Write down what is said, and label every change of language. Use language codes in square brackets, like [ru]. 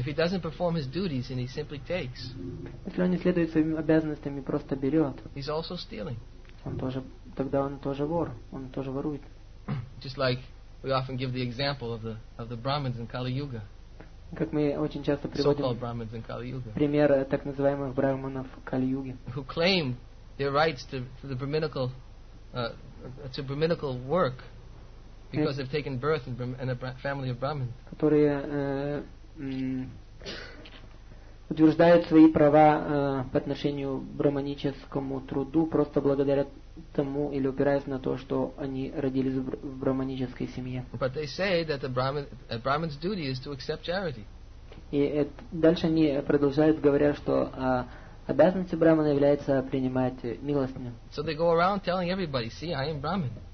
[en] If he doesn't perform his duties and he simply takes, [ru] если он не следует своим обязанностям и просто берет, [en] he's also stealing. [ru] Он тоже вор, он тоже ворует. [en] Just like we often give the example of the Brahmins in Kali Yuga. [ru] Как мы очень часто приводим [en] so-called Brahmins in Kali Yuga. [ru] Пример так называемых брахманов Кали Юги. [en] Who claim their rights to brahminical work because they've taken birth in a family of Brahmin. [ru] Которые утверждают свои права по отношению к брахманическому труду просто благодаря тому или упираясь на то, что они родились в брахманической семье. [en] But they say that a Brahmin's duty is to accept charity. [ru] И дальше они продолжают, говоря, что обязанность брахмана является принимать милостыню. [en] So they go around telling everybody, see, I am Brahmin.